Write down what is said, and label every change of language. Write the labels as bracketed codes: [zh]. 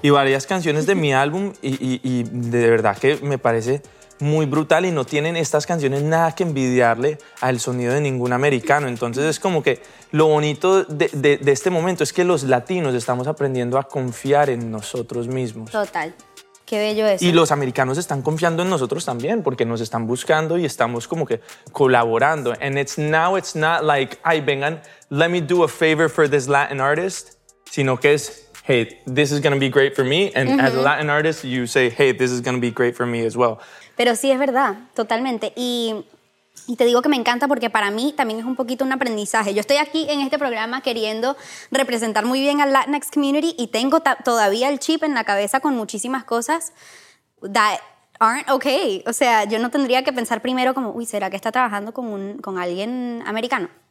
[es] Y varias canciones de mi álbum y de verdad que me parece muy brutal y no tienen estas canciones nada que envidiarle al sonido de ningún americano. Entonces es como que lo bonito de este momento es que los latinos estamos aprendiendo a confiar en nosotros mismos. Total. Qué bello eso. Y los americanos están confiando en nosotros también porque nos están buscando y estamos como que colaborando. [en] And it's now it's not like, [es] ay, vengan, [en] let me do a favor for this Latin artist, [es] sino que es, [en] hey, this is going to be great for me. And uh-huh. as a Latin artist, you say, hey, this is going to be great for me as well. [es] Pero sí, es verdad, totalmente. Y te digo que me encanta porque para mí también es un poquito un aprendizaje. Yo estoy aquí en este programa queriendo representar muy bien al Latinx community y tengo todavía el chip en la cabeza con muchísimas cosas [en] that aren't okay. [es] O sea, yo no tendría que pensar primero como, uy, ¿será que está trabajando con alguien americano?